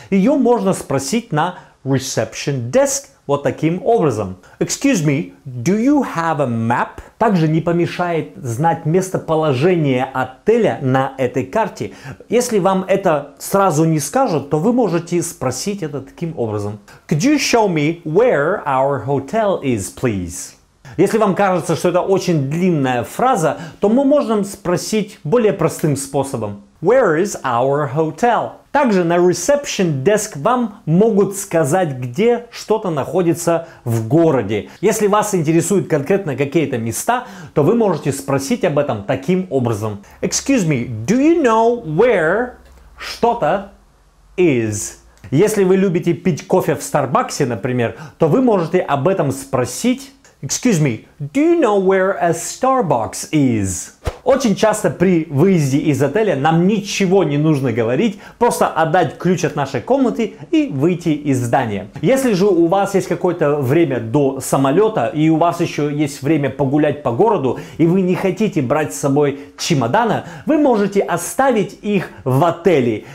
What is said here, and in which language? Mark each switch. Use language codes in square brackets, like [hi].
[ru] Ее можно спросить на reception desk. Вот таким образом. [en] Excuse me, do you have a map? [ru] Также не помешает знать местоположение отеля на этой карте. Если вам это сразу не скажут, то вы можете спросить это таким образом. [en] Could you show me where our hotel is, please? [ru] Если вам кажется, что это очень длинная фраза, то мы можем спросить более простым способом. [en] Where is our hotel? [ru] Также на reception desk вам могут сказать, где что-то находится в городе. Если вас интересуют конкретно какие-то места, то вы можете спросить об этом таким образом. [en] Excuse me, do you know where [ru] что-то [en] is? [ru] Если вы любите пить кофе в Старбаксе, например, то вы можете об этом спросить. [en] Excuse me, do you know where a Starbucks is? [ru] Очень часто при выезде из отеля нам ничего не нужно говорить, просто отдать ключ от нашей комнаты и выйти из здания. Если же у вас есть какое-то время до самолета и у вас еще есть время погулять по городу и вы не хотите брать с собой чемодана, вы можете оставить их в отеле.